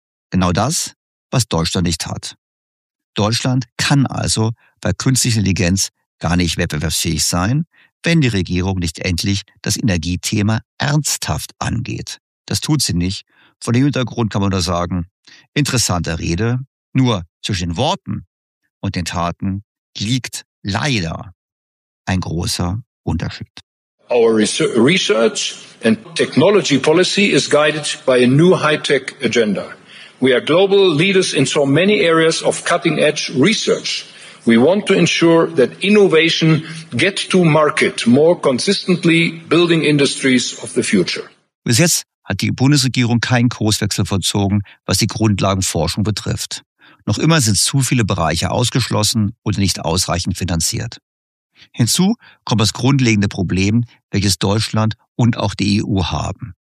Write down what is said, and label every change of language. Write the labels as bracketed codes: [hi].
[de] Genau das, was Deutschland nicht hat. Deutschland kann also bei künstlicher Intelligenz gar nicht wettbewerbsfähig sein, wenn die Regierung nicht endlich das Energiethema ernsthaft angeht. Das tut sie nicht. Von dem Hintergrund kann man nur sagen, interessante Rede. Nur zwischen den Worten und den Taten liegt leider ein großer Unterschied. [en] Our research and technology policy is guided by a new high-tech agenda. We are global leaders in so many areas of cutting-edge research. We want to ensure that innovation gets to market more consistently, building industries of the future. [de] Bis jetzt hat die Bundesregierung keinen Kurswechsel vollzogen, was die Grundlagenforschung betrifft. Noch immer sind zu viele Bereiche ausgeschlossen und nicht ausreichend finanziert. Hinzu kommt das grundlegende Problem, welches Deutschland und auch die EU haben.